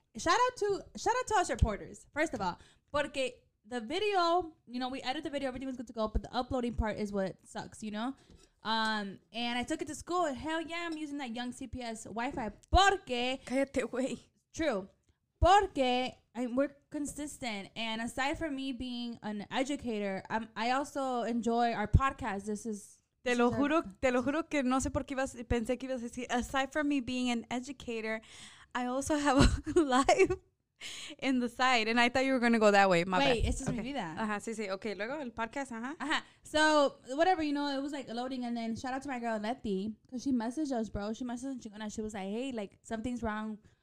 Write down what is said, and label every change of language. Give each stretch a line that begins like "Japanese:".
English: Shout out to us reporters, first of all,
Spanish: porque
English: the video, you know, we edit the video, everything was good to go, but the uploading part is what sucks, you know? And I took it to school, and hell yeah, I'm using that young CPS Wi-Fi,
Spanish: porque... Cállate, güey.
English: True.
Spanish: Porque
English: we're consistent, and aside from me being an educator, I also enjoy our podcast. This is...
Spanish: Te lo juro que no sé por qué pensé que ibas a decir,
English: aside from me being an educator... I also have a live in the side, and I thought you were going to go that way. Wait,
Spanish: esto es mi vida. Ajá, sí, sí. Okay, luego el podcast, ajá. Ajá.
English: So, whatever, you know, it was, like, loading, and then shout out to my girl, Letty, because she messaged us, bro. She messaged us, and she was like, hey, like, something's wrong